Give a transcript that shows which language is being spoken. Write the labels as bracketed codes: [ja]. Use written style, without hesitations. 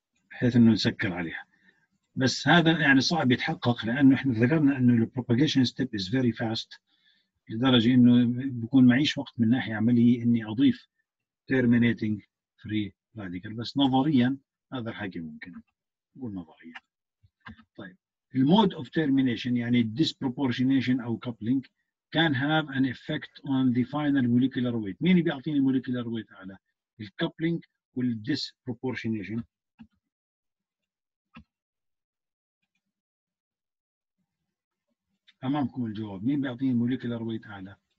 [ar] بحيث انه نسكر عليها، بس هذا يعني صعب يتحقق لانه احنا ذكرنا انه البروباجيشن ستيب [en] is very fast [ar] لدرجه انه بكون معيش وقت من ناحيه عمليه اني اضيف تيرمينيتنج فري راديكال، بس نظريا هذا الحكي ممكن نقول نظريا. [en] طيب المود of termination يعني الديسبروبورشنيشن او coupling can have an effect on the final molecular weight. [ar] مين بيعطيني molecular weight على ال coupling وال disproportionation؟ أمامكم الجواب، مين بيعطيني molecular weight على؟